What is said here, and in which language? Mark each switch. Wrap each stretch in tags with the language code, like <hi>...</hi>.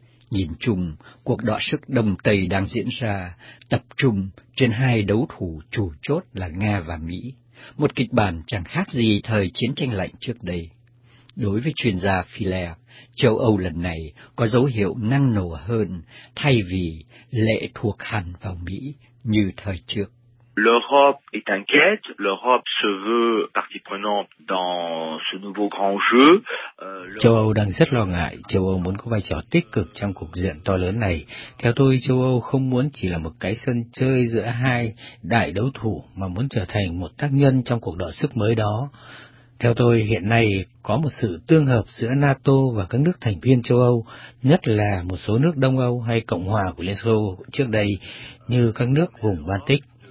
<vi>Nhìn chung, cuộc đọ sức Đông Tây đang diễn ra, tập trung trên hai đấu thủ chủ chốt là Nga và Mỹ, một kịch bản chẳng khác gì thời chiến tranh lạnh trước đây. Đối với chuyên gia Filler, châu Âu lần này có dấu hiệu năng nổ hơn thay vì lệ thuộc hẳn vào Mỹ như thời trước.</vi> <fr>L'Europe est inquiète, l'Europe se veut partie prenante dans ce nouveau grand jeu.</fr> <vi>Châu Âu đang rất lo ngại, châu Âu muốn có vai trò tích cực trong cuộc diện to lớn này. Theo tôi, châu Âu không muốn chỉ là một cái sân chơi giữa hai đại đấu thủ mà muốn trở thành một tác nhân trong cuộc đọ sức mới đó. Theo tôi, hiện nay có một sự tương hợp giữa NATO và các nước thành viên châu Âu, nhất là một số nước Đông Âu hay Cộng hòa của Liên Xô trước đây như các nước vùng Baltic.</vi>